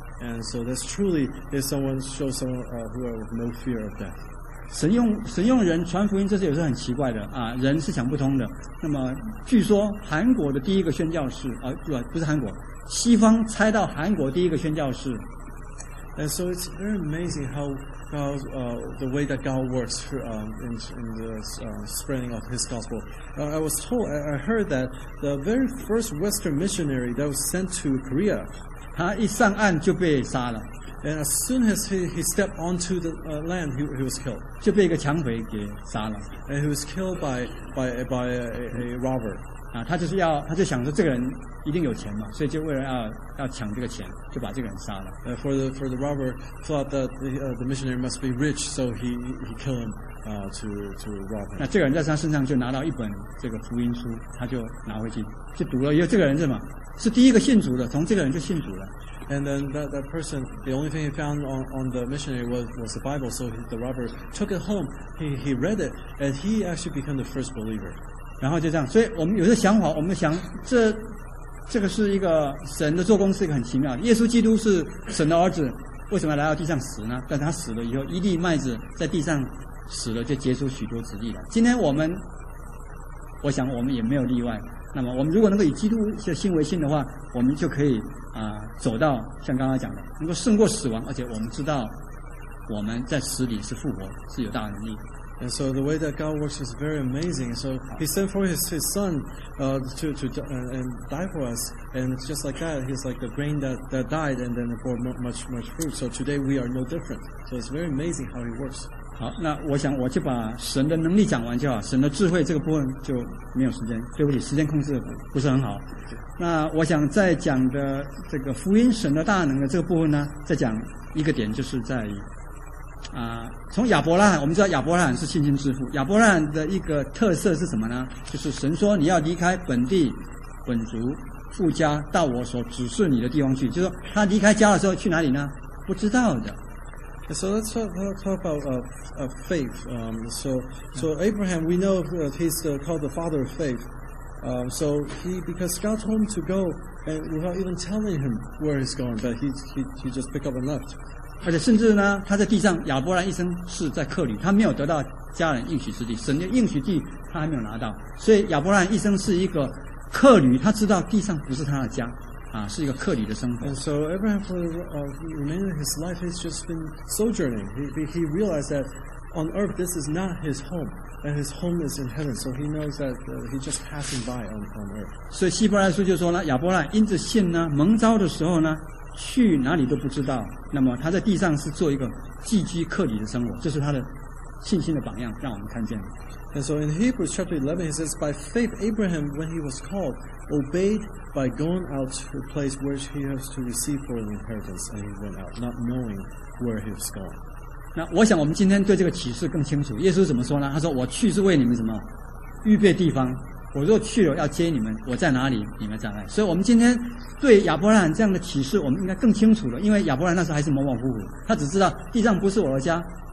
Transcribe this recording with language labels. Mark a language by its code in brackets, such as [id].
[en] And so that's truly if someone shows someone who are with no fear of death. [zh] 神用人传福音，这是也是很奇怪的啊！人是想不通的。那么，据说韩国的第一个宣教士啊，不是韩国，西方猜到韩国第一个宣教士。 [en] And so it's very amazing how God, the way that God works in the spreading of His gospel. I heard that the very first Western missionary that was sent to Korea, [zh] 他一上岸就被杀了。 [en] And as soon as he stepped onto the land, he was killed. [zh] 就被一个强匪给杀了。 [en] And he was killed by a robber. [zh] 啊，他就想说这个人一定有钱嘛，所以就为了要抢这个钱，就把这个人杀了。 [en] For the robber thought that the missionary must be rich, so he killed him to rob him. [zh] 那这个人在他身上就拿到一本这个福音书，他就拿回去就读了，因为这个人是什么？是第一个信主的，从这个人就信主了。 [en] And then that person, the only thing he found on the missionary was the Bible. So the robber took it home. He read it, and he actually became the first believer. [zh] 然后就这样，所以我们有些想法，我们想这个是一个神的做工，是一个很奇妙的。耶稣基督是神的儿子，为什么来到地上死呢？但他死了以后，一粒麦子在地上死了，就结出许多子粒了。今天我想我们也没有例外。那么我们如果能够以基督的心为心的话，我们就可以走到像刚刚讲的能够胜过死亡，而且我们知道我们在死里是复活，是有大能力。 [en] And so the way that God works is very amazing. So he sent for his son to die for us, and just like that he's like the grain that died and then bore much fruit. So today we are no different. So it's very amazing how he works. [zh] 好，那我想我就把神的能力讲完就好，神的智慧这个部分就没有时间，对不起，时间控制不是很好。那我想再讲的这个福音神的大能的这个部分呢，再讲一个点，就是在于从亚伯拉罕，我们知道亚伯拉罕是信心之父，亚伯拉罕的一个特色是什么呢？就是神说你要离开本地本族父家到我所指示你的地方去，就是说他离开家的时候去哪里呢？不知道的。 [en] So let's talk about faith. So Abraham, we know he's called the father of faith. So he, because God told him to go, and without even telling him where he's going, but he just picked up and left. [zh] 而且甚至呢，他在地上，亚伯兰一生是在客旅，他没有得到迦南应许之地，神的应许地他还没有拿到，所以亚伯兰一生是一个客旅，他知道地上不是他的家。是一个客旅的生活。 [en] And so Abraham, for the remainder of his life, has just been sojourning. He realized that on earth this is not his home, and his home is in heaven. So he knows that he's just passing by on earth. [zh] 所以希伯来书就说呢，亚伯兰因着信呢，蒙召的时候呢，去哪里都不知道。那么他在地上是做一个寄居客旅的生活，这是他的信心的榜样，让我们看见。 [en] And so in Hebrews chapter 11, he says, by faith Abraham, when he was called, obeyed by going out to a place which he has to receive for an inheritance, and he went out, not knowing where he was going. [zh] 那我想我们今天对这个启示更清楚。耶稣怎么说呢？他说：“我去是为你们什么？预备地方。我若去了，要接你们。我在哪里，你们在哪里。” 所以，我们今天对亚伯兰这样的启示，我们应该更清楚了。因为亚伯兰那时候还是模模糊糊，他只知道地上不是我的家。